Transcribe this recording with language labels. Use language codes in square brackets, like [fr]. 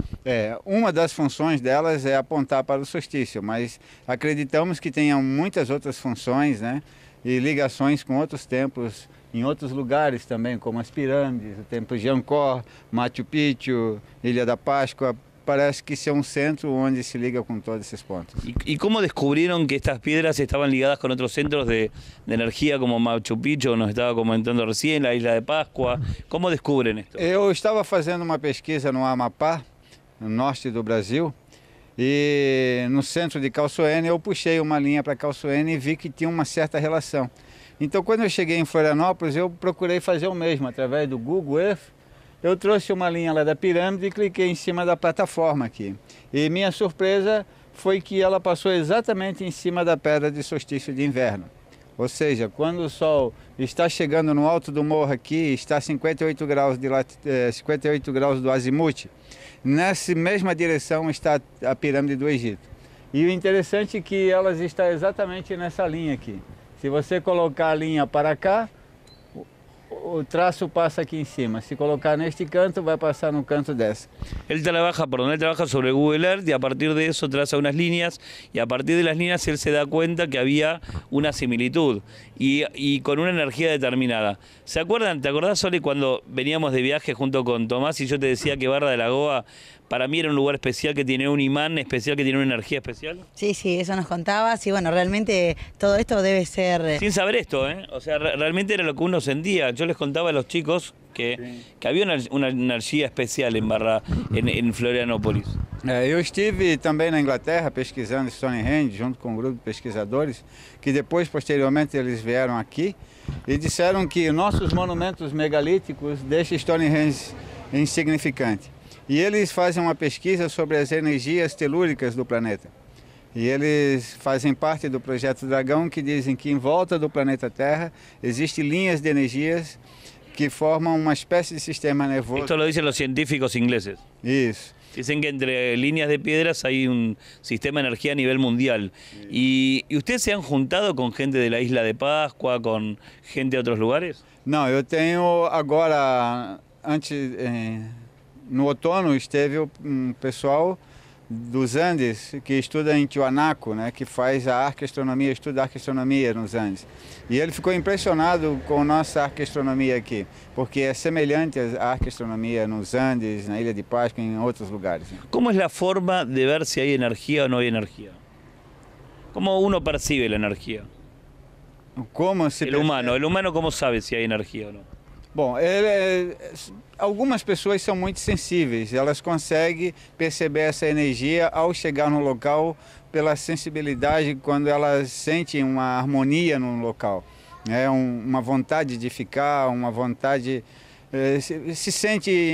[pt] É, uma das funções delas é apontar para o solstício, mas acreditamos que tenham muitas outras funções, né? E ligações com outros templos em outros lugares também, como as pirâmides, o templo de Angkor, Machu Picchu, Ilha da Páscoa. [es] Parece que sea un centro donde se liga con todos esos puntos. ¿Y cómo descubrieron que estas piedras estaban ligadas con otros centros de energía como Machu Picchu, nos estaba comentando recién, la Isla de Pascua? ¿Cómo descubren esto? Yo estaba haciendo una pesquisa en Amapá, en el norte del Brasil, y en el centro de Calçoene, yo puxé una línea para Calçoene y vi que tinha una cierta relación. Entonces, cuando yo llegué en Florianópolis, yo procuré hacer lo mismo a través del Google Earth. [pt] Eu trouxe uma linha lá da pirâmide e cliquei em cima da plataforma aqui. E minha surpresa foi que ela passou exatamente em cima da pedra de solstício de inverno. Ou seja, quando o sol está chegando no alto do morro aqui, está a 58 graus do azimute, nessa mesma direção está a pirâmide do Egito. E o interessante é que elas estão exatamente nessa linha aqui. Se você colocar a linha para cá, o traço passa aqui em cima. Se colocar neste canto, vai passar no canto dessa. Ele trabalha sobre Google Earth e a partir de isso traça umas linhas. E a partir das linhas, ele se dá conta que havia uma similitude. E com uma energia determinada. [es] ¿Se acuerdan? ¿Te acordás, Sole, cuando veníamos de viaje junto con Tomás y yo te decía que Barra de la Goa para mí era un lugar especial, que tiene un imán especial, que tiene una energía especial? Sí, sí, eso nos contabas y bueno, realmente todo esto debe ser... Sin saber esto, ¿eh? O sea, realmente era lo que uno sentía. Yo les contaba a los chicos que, sí, que había una energía especial en Barra, en Florianópolis. Yo estuve también en Inglaterra pesquisando Stonehenge junto con un grupo de pesquisadores que después, posteriormente, ellos vieron aquí y dijeron que [pt] nossos monumentos megalíticos deixam Stonehenge insignificante. E eles fazem uma pesquisa sobre as energias telúricas do planeta. E eles fazem parte do Projeto Dragão, que dizem que em volta do planeta Terra existem linhas de energias que formam uma espécie de sistema nervoso. [es] Isso lo dicen os científicos ingleses. [pt] Isso. [es] Dicen que entre líneas de piedras hay un sistema de energía a nivel mundial. ¿Y ustedes se han juntado con gente de la Isla de Pascua, con gente de otros lugares? [pt] No, yo tengo ahora, antes, no otoño, esteve un pessoal dos Andes que estuda en Tiwanaku, né, que faz a arqueastronomía, estuda arqueastronomía [es] en los Andes. Y él ficou impressionado con nuestra arqueastronomía aquí, porque es semelhante a arqueastronomía en los Andes, en la Isla de Pascua y en otros lugares. ¿Cómo es la forma de ver si hay energía o no hay energía? ¿Cómo uno percibe la energía? ¿Cómo se percibe? El humano, ¿cómo sabe si hay energía o no? [pt] Bom, algumas pessoas são muito sensíveis, elas conseguem perceber essa energia ao chegar no local pela sensibilidade, quando elas sentem uma harmonia no local, né? Uma vontade de ficar, uma vontade, se sente...